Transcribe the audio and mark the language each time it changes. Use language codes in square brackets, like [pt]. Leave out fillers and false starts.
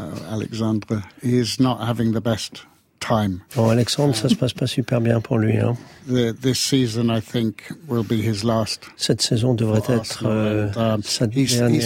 [en] Alexandre, he is not having the best time. [fr] Bon, Alexandre, ça se passe pas super bien pour lui. Hein. [en] This season, I think, will be his last. [fr] Cette saison devrait être sa dernière.